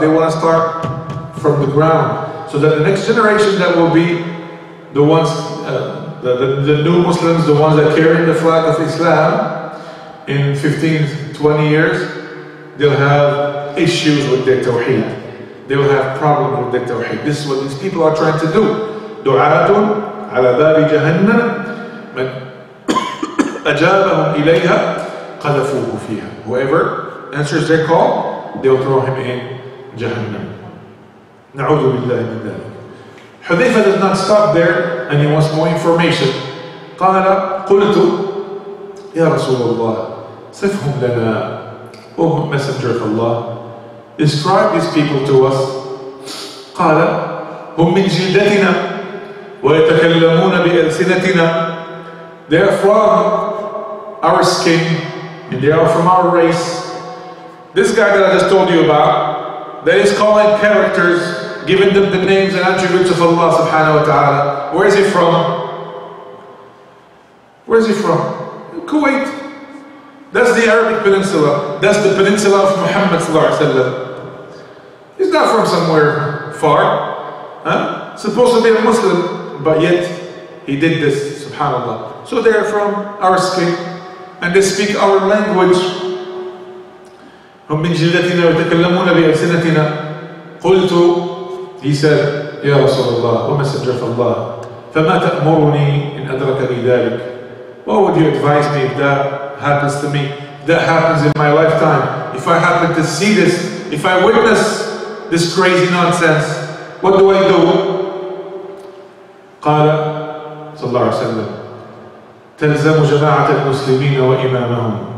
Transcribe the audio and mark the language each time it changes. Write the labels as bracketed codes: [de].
[en] They want to start from the ground so that the next generation that will be the ones, the new Muslims, the ones that carry the flag of Islam in 15, 20 years, they'll have issues with their tawheed. They'll have problems with their tawheed. This is what these people are trying to do. [ar] Du'atun ala babi jahannam. أجابهم إليها قذفوه فيها. [en] Whoever answers their call, they'll throw him in جهنم. [ar] نعوذ بالله من ذلك. [en] حذيفة does not stop there and he wants more information. [ar] قال قلت يا رسول الله صفهم لنا. [en] Oh Messenger of Allah, describe these people to us. [ar] قال هم من جلدتنا ويتكلمون بألسنتنا. [en] They are from our skin, and they are from our race. This guy that I just told you about, that is calling characters, giving them the names and attributes of Allah subhanahu wa ta'ala. Where is he from? Kuwait. That's the Arabic peninsula. That's the peninsula of Muhammad sallallahu alaihi wasallam. He's not from somewhere far. Huh? Supposed to be a Muslim, but yet he did this, subhanAllah. So they are from our skin. And they speak our language. [ar] هم من جلدتنا وتكلمون بألسنتنا. قلت, [en] he said, [ar] يا رسول الله ومسجر فالله فما تأمرني إن أدرك لي ذلك. [en] What would you advise me if that happens to me? If that happens in my lifetime. If I happen to see this, if I witness this crazy nonsense, what do I do? [ar] قال صلى الله عليه وسلم تلزم جماعة المسلمين وإمامهم.